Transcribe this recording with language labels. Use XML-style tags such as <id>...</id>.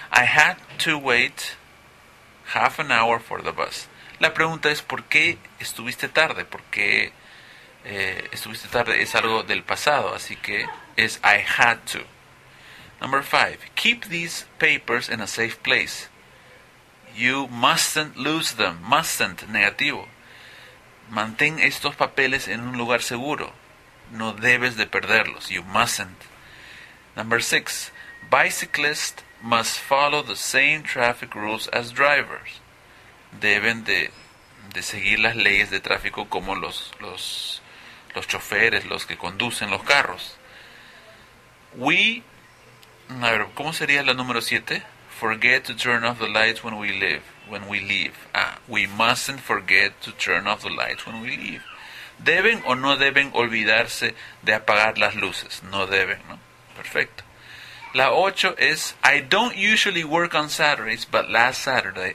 <en>I had to wait half an hour for the bus.</en> <es>La pregunta es ¿por qué estuviste tarde? ¿Por qué estuviste tarde? Es algo del pasado, así que es I had to.</es> <en>Number five, keep these papers in a safe place. You mustn't lose them.</en> <es>Mustn't, negativo. Mantén estos papeles en un lugar seguro. No debes de perderlos.</es> <en>You mustn't. Number six, bicyclists must follow the same traffic rules as drivers.</en> <es>Deben de seguir las leyes de tráfico como los choferes, los que conducen los carros. A ver, ¿cómo sería la número 7?</es> <en>Forget to turn off the lights when we leave. When we leave. Ah, we mustn't forget to turn off the lights when we leave.</en> <es>¿Deben o no deben olvidarse de apagar las luces? No deben, ¿no? Perfecto. La 8 es</es> <en>I don't usually work on Saturdays, but last Saturday.</en>